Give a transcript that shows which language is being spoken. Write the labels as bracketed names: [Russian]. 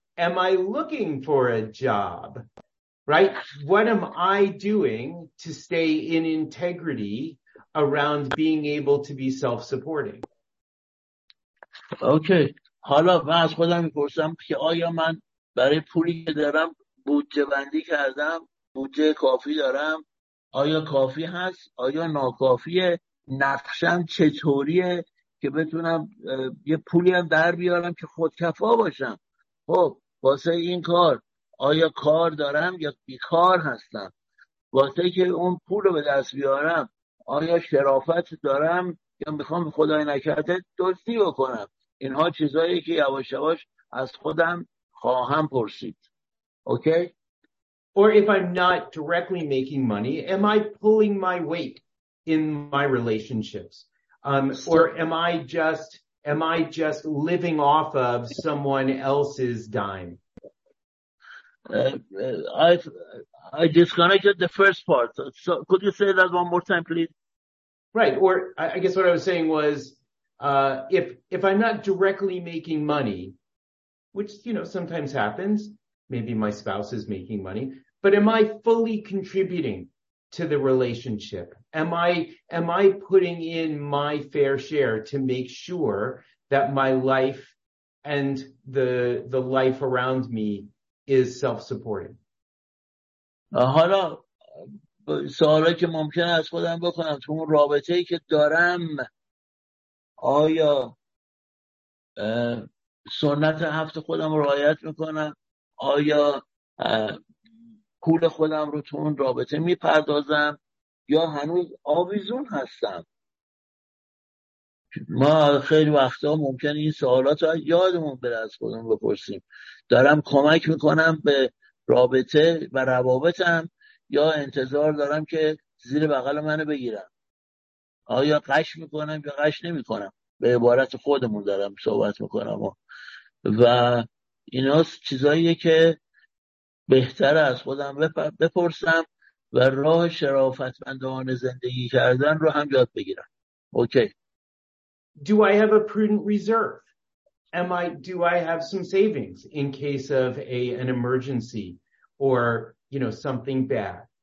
[English] Am I looking for a job? Right? What am I doing to stay in integrity around being able to be self-supporting? Okay. [Persian] حالا من از خودم میپرسم که آیا من برای پولی که دارم بودجه بندی کردم، بودجه کافی دارم؟ آیا کافی هست؟ آیا ناکافیه؟ نقشم چطوریه که بتونم یه پولی هم در بیارم که خودکفا باشم؟ خب واسه این کار آیا کار دارم یا بیکار هستم؟ واسه که اون پول رو به دست بیارم آیا شرافت دارم یا میخوام خدای نکرده دزدی بکنم؟ اینها چیزایی که یواش یواش از خودم خواهم پرسید. [English] Okay? Or if I'm not directly making money, am I pulling my weight in my relationships? Or am I just living off of someone else's dime? I disconnected the first part. So could you say that one more time, please? Right. Or I guess what I was saying was, if I'm not directly making money, which, you know, sometimes happens, maybe my spouse is making money, but am I fully contributing to the relationship? Am I putting in my fair share to make sure that my life and the life around me is self-supporting? [Persian] حالا سوالی که ممکن است خودم بکنم تو اون رابطه‌ای که دارم، آیا سنت هفت خودم رو رعایت می‌کنم؟ آیا پول خودم رو تو اون رابطه میپردازم یا هنوز آویزون هستم؟ ما خیلی وقتا ممکن این سوالات رو یادمون بره از خودمون بپرسیم. دارم کمک میکنم به رابطه و روابطم یا انتظار دارم که زیر بغل منو بگیرم؟ آیا قش میکنم یا قش نمیکنم؟ به عبارت خودمون دارم صحبت میکنم و اینا چیزاییه که بهتره از خودم بپرسم و راه شرافتمندانه زندگی کردن رو هم یاد بگیرم. [English] Okay. Do I have a prudent reserve? Do I have some savings in case of an emergency or, you know, something bad?